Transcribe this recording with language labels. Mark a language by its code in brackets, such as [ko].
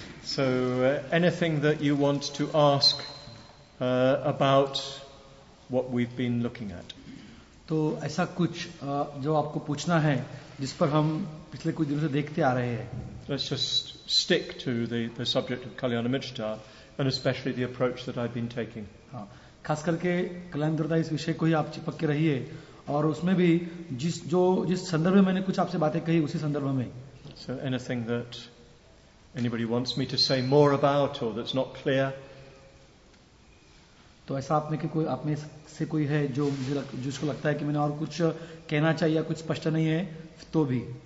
[en] So, anything that you want to ask about what we've been looking at? [hi] तो ऐसा कुछ जो आपको पूछना है जिस पर हम पिछले कुछ दिनों से देखते आ रहे हैं. [en] Let's just stick to the subject of Kalyanamitta and especially the approach that I've been taking. [hi] हाँ, खास करके कल्याणदुर्गा इस विषय को ही आप चिपक के रहिए और उसमें भी जिस संदर्भ में मैंने कुछ आपसे बातें कही उसी संदर्भ में. [en] So anything that anybody wants me to say more about or that's not clear? [hi] तो ऐसा आपने कि कोई आपने से कोई है जो मुझे जिसको लगता है कि मैंने और कुछ कहना चाहिए या कुछ स्पष्ट नहीं है तो भी.